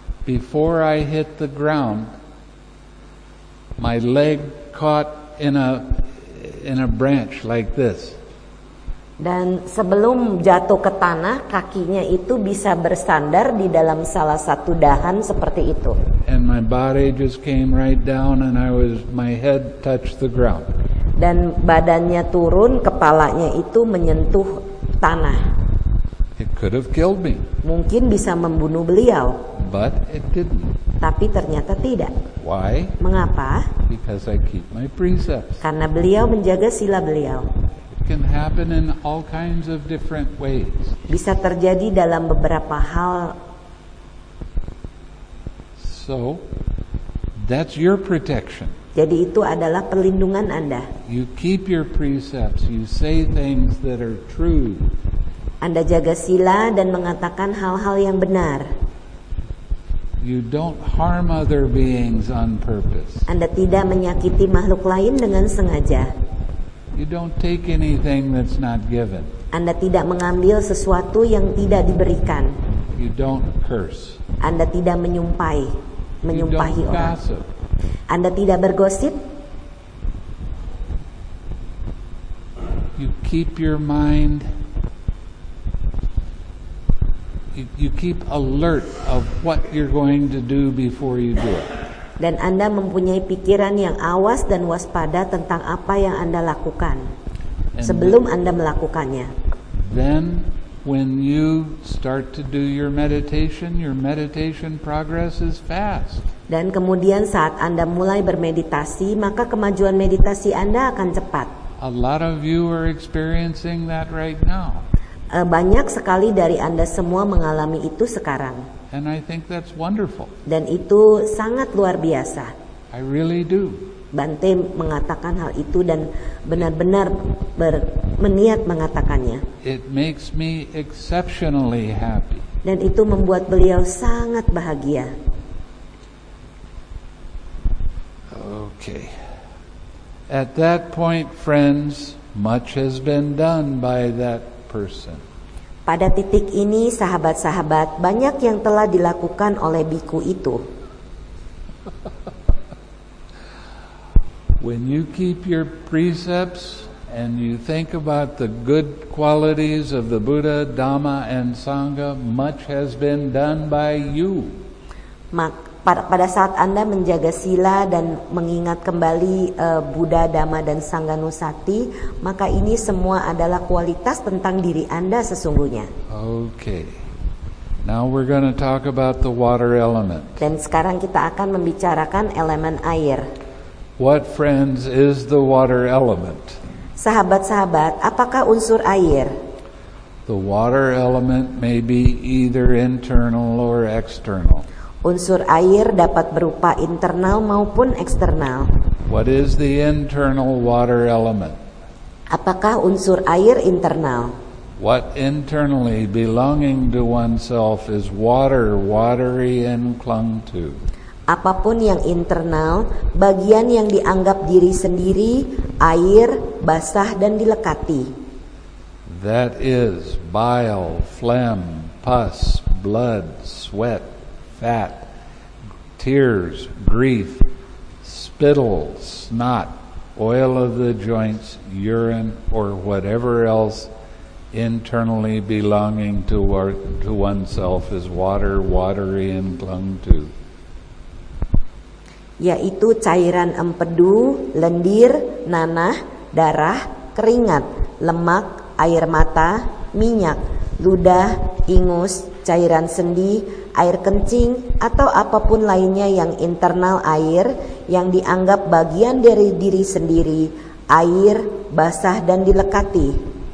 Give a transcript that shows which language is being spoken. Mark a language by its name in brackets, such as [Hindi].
[English] Before I hit the ground, my leg caught in a branch like this. [Indonesian] Dan sebelum jatuh ke tanah, kakinya itu bisa bersandar di dalam salah satu dahan seperti itu. [English] And my body just came right down and my head touched the ground. [Indonesian] Dan badannya turun, kepalanya itu menyentuh tanah. [English] It could have killed me. [Indonesian] Mungkin bisa membunuh beliau. [English] But it didn't. [Indonesian] Tapi ternyata tidak. [English] Why? [Indonesian] Mengapa? [English] Because I keep my precepts. [Indonesian] Karena beliau menjaga sila beliau. [English] It can happen in all kinds of different ways. [Indonesian] Bisa terjadi dalam beberapa hal. [English] So, that's your protection. [Indonesian] Jadi itu adalah perlindungan Anda. [English] You keep your precepts, you say things that are true. [Indonesian] Anda jaga sila dan mengatakan hal-hal yang benar. [English] You don't harm other beings on purpose. [Indonesian] Anda tidak menyakiti makhluk lain dengan sengaja. [English] You don't take anything that's not given. [Indonesian] Anda tidak mengambil sesuatu yang tidak diberikan. [English] You don't curse. [Indonesian] Anda tidak menyumpahi, menyumpahi orang. [English] You don't gossip. [Indonesian] Anda tidak bergosip. [English] You keep your mind. You keep alert of what you're going to do before you do it. [Indonesian] Dan Anda mempunyai pikiran yang awas dan waspada tentang apa yang Anda lakukan sebelum Anda melakukannya. [English] Then when you start to do your meditation progress is fast. [Indonesian] Dan kemudian saat Anda mulai bermeditasi, maka kemajuan meditasi Anda akan cepat. [English] A lot of you are experiencing that right now. [Indonesian] Banyak sekali dari Anda semua mengalami itu sekarang. [English] And I think that's wonderful. [Indonesian] Dan itu sangat luar biasa. [English] I really do. [Indonesian] Bante mengatakan hal itu dan benar-benar berniat mengatakannya. [English] It makes me exceptionally happy. [Indonesian] Dan itu membuat beliau sangat bahagia. [English] Okay. At that point, friends, much has been done by that person. [Indonesian] Pada titik ini, sahabat-sahabat, banyak yang telah dilakukan oleh biku itu. [English] When you keep your precepts and you think about the good qualities of the Buddha, Dhamma, and Sangha, much has been done by you. [Indonesian] Pada saat Anda menjaga sila dan mengingat kembali Buddha, Dhamma, dan Sangha Nusati, maka ini semua adalah kualitas tentang diri Anda sesungguhnya. [English] Okay. Now we're going to talk about the water element. [Indonesian] Dan sekarang kita akan membicarakan elemen air. [English] What, friends, is the water element? [Indonesian] Sahabat-sahabat, apakah unsur air? [English] The water element may be either internal or external. [Indonesian] Unsur air dapat berupa internal maupun eksternal. [English] What is the internal water element? [Indonesian] Apakah unsur air internal? [English] What internally belonging to oneself is water, watery and clung to? [Indonesian] Apapun yang internal, bagian yang dianggap diri sendiri, air, basah dan dilekati. [English] That is bile, phlegm, pus, blood, sweat, fat, tears, grief, spittle, snot, oil of the joints, urine, or whatever else internally belonging to oneself is water, watery, and clung to. [Indonesian] Yaitu cairan empedu, lendir, nanah, darah, keringat, lemak, air mata, minyak, ludah, ingus, cairan sendi, air kencing, atau apapun lainnya yang internal air, yang dianggap bagian dari diri sendiri, air, basah, dan dilekati.